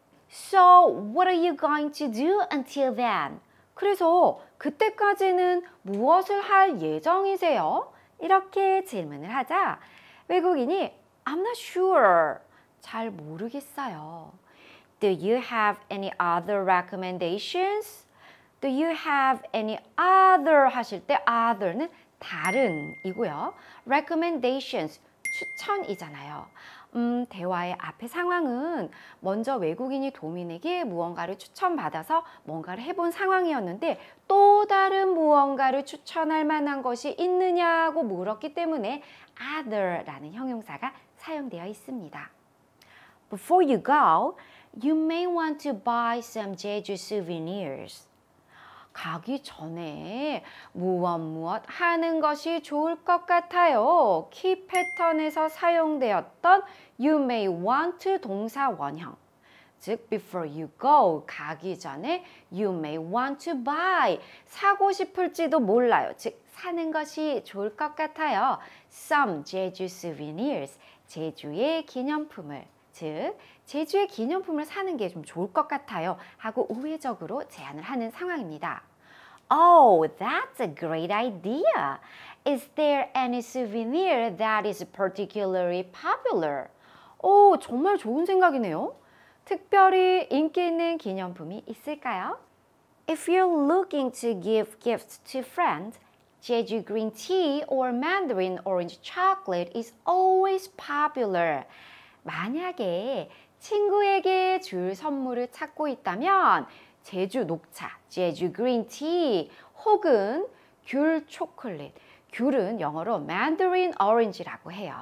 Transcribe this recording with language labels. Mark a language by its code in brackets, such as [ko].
[en] So what are you going to do until then? [ko] 그래서 그때까지는 무엇을 할 예정이세요? 이렇게 질문을 하자 외국인이 [en] I'm not sure. [ko] 잘 모르겠어요. [en] Do you have any other recommendations? Do you have any other [ko] 하실 때 other는 다른이고요. Recommendations, 추천이잖아요. 대화의 앞에 상황은 먼저 외국인이 도민에게 무언가를 추천받아서 뭔가를 해본 상황이었는데 또 다른 무언가를 추천할 만한 것이 있느냐고 물었기 때문에 other라는 형용사가 사용되어 있습니다. [en] Before you go, you may want to buy some Jeju souvenirs. [ko] 가기 전에 무엇무엇 하는 것이 좋을 것 같아요. 키 패턴에서 사용되었던 [en] you may want to [ko] 동사 원형. 즉, [en] before you go, [ko] 가기 전에 [en] you may want to buy. [ko] 사고 싶을지도 몰라요. 즉, 사는 것이 좋을 것 같아요. [en] Some Jeju souvenirs, [ko] 제주의 기념품을. 즉, 제주의 기념품을 사는 게 좀 좋을 것 같아요. 하고 우회적으로 제안을 하는 상황입니다. [en] Oh, that's a great idea. Is there any souvenir that is particularly popular? [ko] 오, 정말 좋은 생각이네요. 특별히 인기 있는 기념품이 있을까요? [en] If you're looking to give gifts to friends, Jeju green tea or mandarin orange chocolate is always popular. [ko] 만약에 친구에게 줄 선물을 찾고 있다면 제주 녹차, 제주 그린 티 혹은 귤 초콜릿, 귤은 영어로 mandarin orange라고 해요.